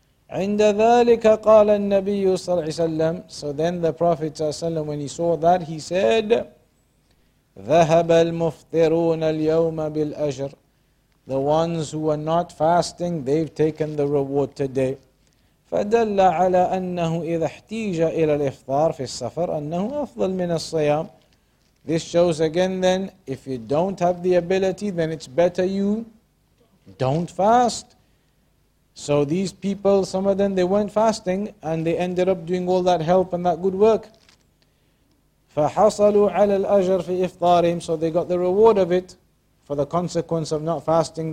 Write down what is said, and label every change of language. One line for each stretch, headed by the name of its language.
Arabic: عِنْدَ ذَلِكَ قَالَ النَّبِيُّ صَلَّى اللَّهُ عَلَيْهِ وَسَلَّمَ.
English: So then the Prophet صلى الله عليه وسلم, when he saw that, he said,
Arabic: ذهب المفطرون اليوم بالأجر.
English: The ones who were not fasting, they've taken the reward today.
Arabic: فدل على أنه إذا احتاج إلى الإفطار في السفر أنه أفضل من الصيام.
English: This shows again then, if you don't have the ability, then it's better you don't fast. So these people, some of them, they weren't fasting, and they ended up doing all that help and that good work.
Arabic: فَحَصَلُوا عَلَى الْأَجْرِ فِي إِفْطَارِهِمْ
English: So they got the reward of it for the consequence of not fasting.